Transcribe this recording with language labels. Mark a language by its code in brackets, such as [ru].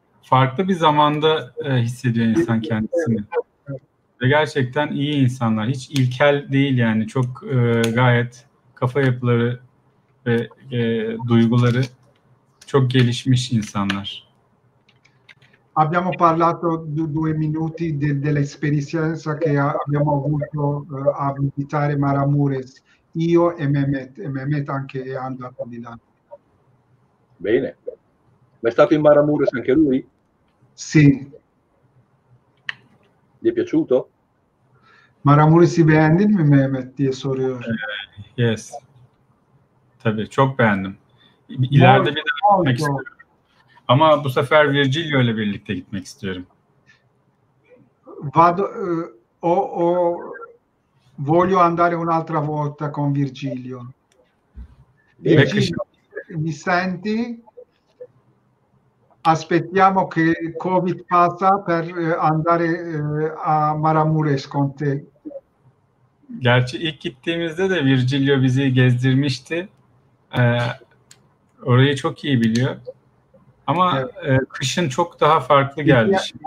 [tr] Farklı bir zamanda hissediyor insan kendisini. Evet. Ve gerçekten iyi insanlar. Hiç ilkel değil yani. Çok gayet kafa yapıları ve duyguları çok gelişmiş insanlar. [it] Abbiamo parlato due minuti dell'esperienza che abbiamo avuto a visitare Maramures. Io e Mehmet. E Mehmet anche è andato di là. Bene. Ma è stato in Maramures anche lui? Sì. Gli è piaciuto? [tr] Maramures beğendin mi Mehmet diye soruyor. [en] Yes. [tr] Tabii çok beğendim. İleride bir daha gitmek istiyorum. Ama bu sefer Virgilio ile birlikte gitmek istiyorum. [it] Vado voglio andare un'altra volta con Virgilio. Virgilio, mi senti? Aspettiamo che Covid passa per andare a Maramures con te. [tr] Gerçi ilk gittiğimizde de Virgilio bizi gezdirmişti. Orayı çok iyi biliyor. Ama evet. Kışın çok daha farklı geldi.